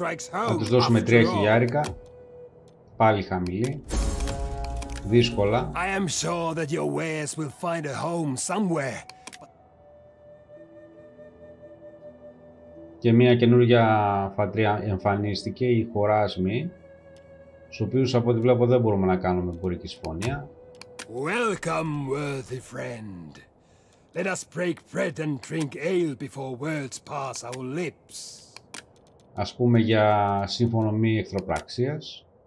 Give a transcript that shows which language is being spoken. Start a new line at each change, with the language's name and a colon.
Greek: Θα τους δώσουμε 3 χιλιάρικα. Πάλι χαμηλή, δύσκολα.
English: I am sure that your wares will find a home somewhere.
Greek: Και μια καινούργια φατρία εμφανίστηκε, η Χωράσμη, στους οποίους από ό,τι βλέπω δεν μπορούμε να κάνουμε εμπορική συμφωνία.
English: Welcome, worthy friend. Let us break bread and drink ale before words pass our lips.
Greek: Ας πούμε για σύμφωνο μη εχθροπραξίας.